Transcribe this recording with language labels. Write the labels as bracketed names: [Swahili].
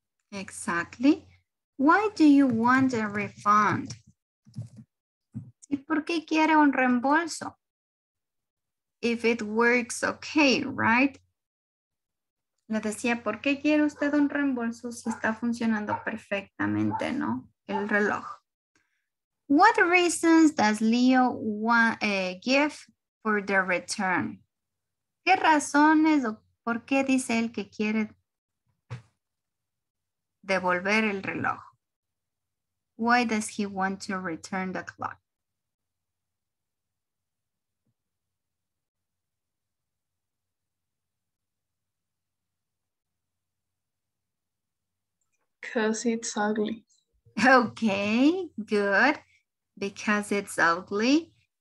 [English] Exactly. Why do you want a refund? ¿Y [Spanish] ¿por qué quiere un reembolso? [English] If it works okay, right? [Spanish] Le decía, ¿por qué quiere usted un reembolso si está funcionando perfectamente, no? El reloj. [English] What reasons does Leo give for the return? [Spanish] ¿Qué razones o por qué dice él que quiere devolver el reloj? [English] Why does he want to return the clock? Because it's ugly. Okay, good. Because it's ugly.